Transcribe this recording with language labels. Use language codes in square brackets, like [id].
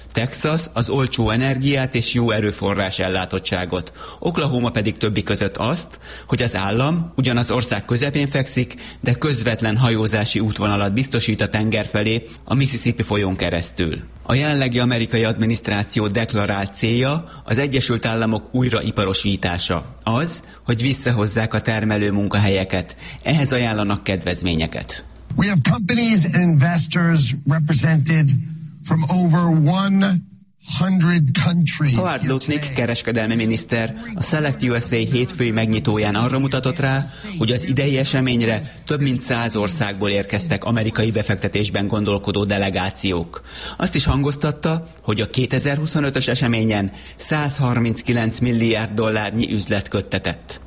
[hu] Texas az olcsó energiát és jó erőforrás ellátottságot, Oklahoma pedig többi között azt, hogy az állam ugyanaz ország közepén fekszik, de közvetlen hajózási útvonalat biztosít a tenger felé, a Mississippi folyón keresztül. A jelenlegi amerikai adminisztráció deklarált célja az Egyesült Államok újraiparosítása. Az, hogy visszahozzák a termelő munkahelyeket, ehhez ajánlanak kedvezményeket. [en] We have companies and investors represented from over 100 countries. [hu] Howard Lutnick, kereskedelmi miniszter, a Select USA hétfői megnyitóján arra mutatott rá, hogy az idei eseményre több mint 100 országból érkeztek amerikai befektetésben gondolkodó delegációk. Azt is hangoztatta, hogy a 2025-ös eseményen 139 milliárd dollárnyi üzlet köttetett.